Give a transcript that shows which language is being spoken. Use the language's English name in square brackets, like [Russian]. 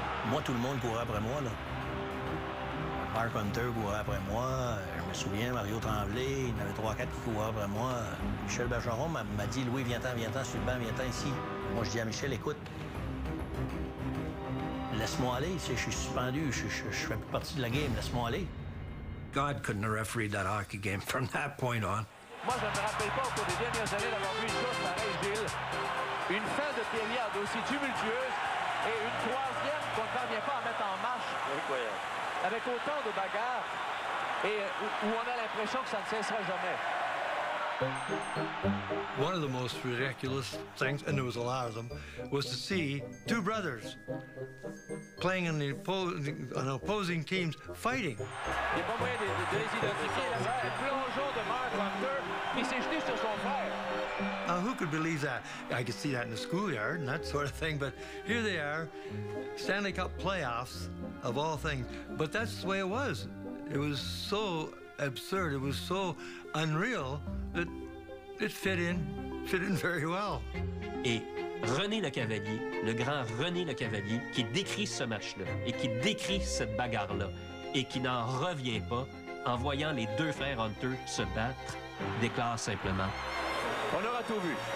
[French] Moi, tout le monde courait après moi, là. Mark Hunter courait après moi. Je me souviens, Mario Tremblay, il y en avait 3-4 qui couraient après moi. Michel Bergeron m'a dit, Louis, viens-t'en, sur le banc, viens-t'en ici. Moi, je dis à Michel, écoute, laisse-moi aller, je suis suspendu, je fais plus partie de la game, laisse-moi aller. [English] God couldn't have refereed that hockey game from that point on. [French] Moi, je ne me rappelle pas au cours des dernières années d'avoir vu une chose pareille, Gilles. Une fin de période aussi tumultueuse et une troisième qu'on ne parvient pas à mettre en marche. Incroyable. Avec autant de bagarres et où on a l'impression que ça ne cessera jamais. [English] One of the most ridiculous things, and there was a lot of them, was to see two brothers playing on opposing teams fighting. [French] Il n'y a pas moyen de les identifier là-bas. Le plongeon de Mark Hunter, il s'est jeté sur son frère. [English] Who could believe that? I could see that in the schoolyard and that sort of thing, but here they are, Stanley Cup playoffs, of all things. But that's the way it was. It was so absurd. It was so unreal that it fit in very well. [French] Et René Lecavalier, le grand René Lecavalier, qui décrit ce match-là et qui décrit cette bagarre-là et qui n'en revient pas en voyant les deux frères Hunter se battre, déclare simplement... On aura tout vu.